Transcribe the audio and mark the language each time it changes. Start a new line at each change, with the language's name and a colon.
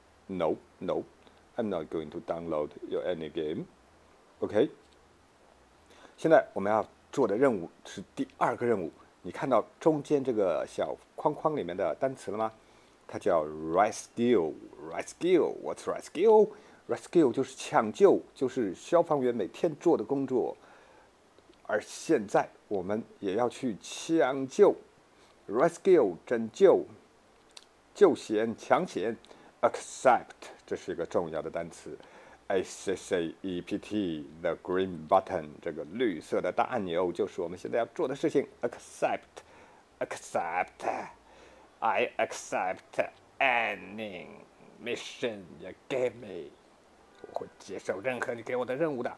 English: No, no, I'm not going to download your any game. OK?
Chinese: 现在我们要做的任务是第二个任务。你看到中间这个小框框里面的单词了吗？
English: 它叫 rescue. Rescue, what's rescue?
Chinese: Rescue 就是抢救，就是消防员每天做的工作。而现在我们也要去抢救。 Rescue, 拯救。救险，抢险。 Accept, 这是一个重要的单词。Accept, the green button, 这个绿色的大按钮就是我们现在要做的事情。
English: Accept, accept, I accept any mission you give me.
Chinese: 我会接受任何你给我的任务的。